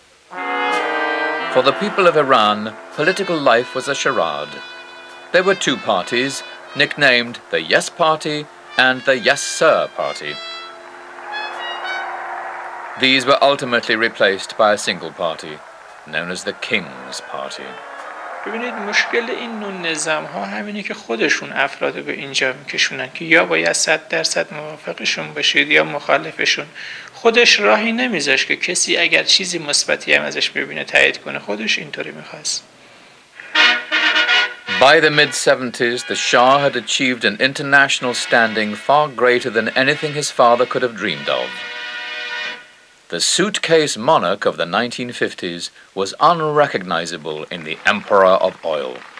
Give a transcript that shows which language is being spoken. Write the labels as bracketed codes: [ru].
[en] For the people of Iran, political life was a charade. There were two parties, nicknamed the Yes Party and the Yes Sir Party. These were ultimately replaced by a single party, known as the King's Party. [fa] ببینید مشکل این نوع نظام ها همینه که خودشون افراد رو به اینجا میکشونن که یا باید 100% موافقشون باشید یا مخالفشون. خودش راهی نمیذاشت که کسی اگر چیزی مثبتی هم ازش ببینه تایید کنه. خودش اینطوری میخواست. [en] By the mid-70s, the Shah had achieved an international standing far greater than anything his father could have dreamed of. The suitcase monarch of the 1950s was unrecognizable in the Emperor of Oil.